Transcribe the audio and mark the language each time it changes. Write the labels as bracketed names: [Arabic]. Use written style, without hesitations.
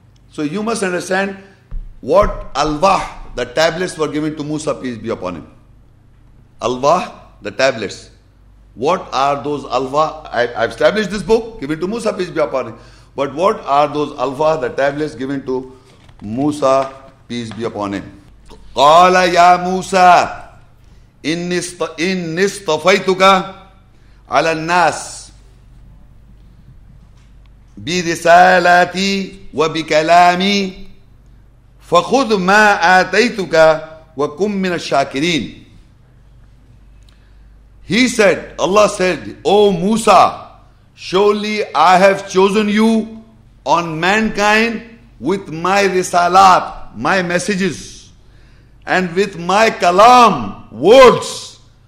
[English] So you must understand what Alwah, the tablets were given to Musa, peace be upon him. Alwah, the tablets. What are those Alwah? I've established this book given to Musa, peace be upon him. But what are those Alwah, the tablets given to Musa, peace be upon him? [Arabic] قال يا موسى إني اصطفيتك على الناس برسالتي وبكلامي فخذ ما آتيتك وكن من الشاكرين. [English] He said, Allah said, O Musa, surely I have chosen you on mankind with my risalat, my messages, and with my kalam, words.